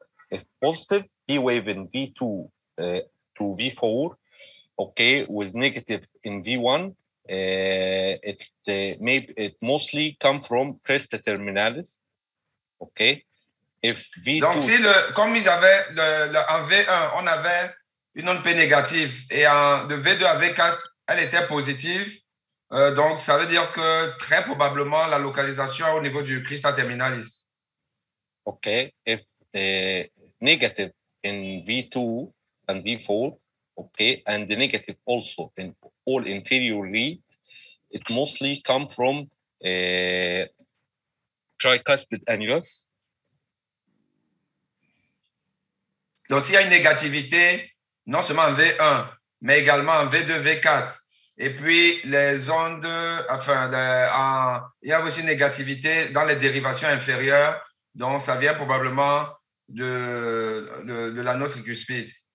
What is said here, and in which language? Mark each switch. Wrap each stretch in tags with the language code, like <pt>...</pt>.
<en>If positive, P wave in V2 to V4, okay, with negative in V1, it mostly come from crest terminalis, okay. If V2,</en> <fr>donc, si le, comme ils avaient le, en V1, on avait une onde P négative et en, de V2 à V4, elle était positive, donc ça veut dire que très probablement la localisation au niveau du crista terminalis. OK.</fr> <en>If negative in V2 and V4, OK, and the negative also in all inferior lead, it mostly come from tricuspid annulus.</en> <fr>Donc, s'il y a une négativité, non seulement en V1, mais également en V2, V4, et puis les ondes, enfin, il y a aussi une négativité dans les dérivations inférieures, donc ça vient probablement de la note tricuspide.</fr>